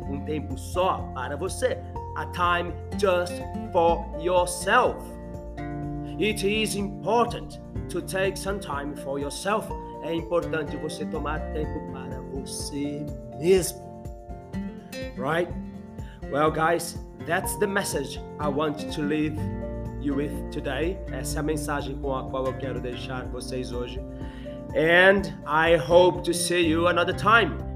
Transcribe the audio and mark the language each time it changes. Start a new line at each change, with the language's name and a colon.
Portuguese: Um tempo só para você.
English: A time just for yourself. It is important to take some time for yourself.
Portuguese: É importante você tomar tempo para você mesmo.
English: Right? Well, guys, that's the message I want to leave you with today.
Portuguese: Essa é a mensagem com a qual eu quero deixar vocês hoje.
English: And I hope to see you another time.